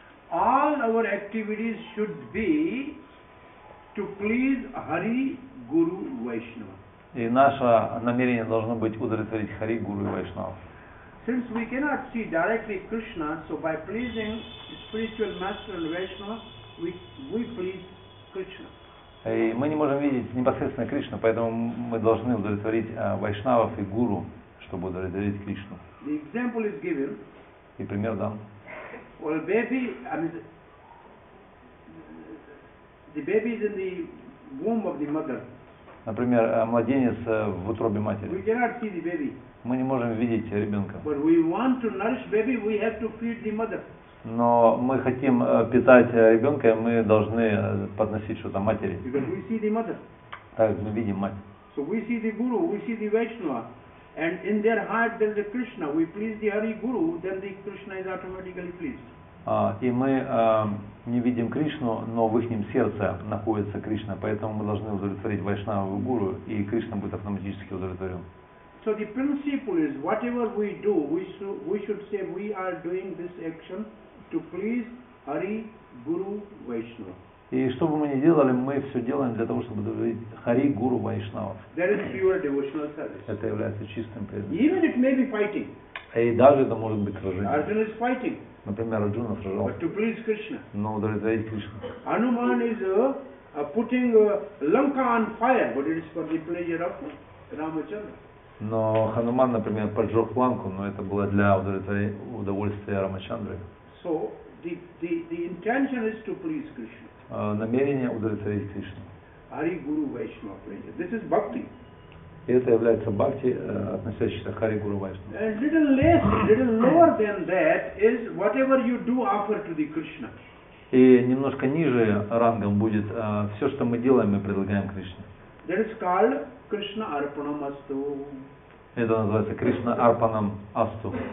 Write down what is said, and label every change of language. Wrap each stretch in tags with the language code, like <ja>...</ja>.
<en>All our activities should be to please Hari, Guru, Vaishnava.</en> <ru>И наше намерение должно быть удовлетворить Хари, Гуру и Вайшнава.</ru> <en>Since we cannot see directly Krishna, so by pleasing spiritual master and Vaishnava, We please Krishna.</en> <ru>И мы не можем видеть непосредственно Кришну, поэтому мы должны удовлетворить вайшнавов и гуру, чтобы удовлетворить Кришну.</ru> <en>The example is given.</en> <ru>И пример дан.</ru> <en>Well, the baby is in the womb of the mother.</en> <ru>Например, младенец в утробе матери.</ru> <en>We cannot see the baby.</en> <ru>Мы не можем видеть ребенка.</ru> <en>But we want to nourish baby, we have to feed the mother.</en> <ru>Но мы хотим питать ребенка, мы должны подносить что-то матери.</ru> <en>Because we see the mother.</en> <ru>Так, мы видим мать.</ru> <en>So we see the guru, we see the Vaishnava, and in their heart there is a Krishna. We please the Hari Guru, then the Krishna is automatically pleased.</en> <ru>И мы не видим Кришну, но в ихнем сердце находится Кришна, поэтому мы должны удовлетворить Вайшнава и Гуру, и Кришна будет автоматически удовлетворен.</ru> <en>So the principle is, whatever we do, we should say we are doing this action to please Hari, Guru, Vaishnava.</en> <ru>И что бы мы ни делали, мы все делаем для того, чтобы удовлетворить Хари, Гуру, Вайшнава.</ru> <en>That is pure devotional service.</en> <ru>Это является чистым преданием.</ru> <en>Even it may be fighting.</en> <ru>И даже это может быть сражение.</ru> <en>Arjuna is fighting.</en> <ru>Например, Арджуна сражался.</ru> <en>But to please Krishna.</en> <ru>Но удовлетворить Кришну.</ru> <en>Hanuman is putting Lanka on fire, but it is for the pleasure of Ramachandra.</en> <ru>Но Хануман, например, поджег Ланку, но это было для удовольствия Рамачандры.</ru> <en>So the intention is to please Krishna.</en> <ru>Намерение удовлетворить Кришну.</ru> <en>Hari Guru Vaishnava pleasure. This is bhakti.</en> <ru>И это является бхакти, относящейся к Хари Гуру Вайшнава.</ru> <en>And little less, little lower than that is whatever you do offer to the Krishna.</en> <ru>И немножко ниже рангом будет все, что мы делаем, мы предлагаем Кришне.</ru> <en>That is called Krishna Arpanamastu.</en> <ru>Это называется Кришна Арпанам Асту.</ru>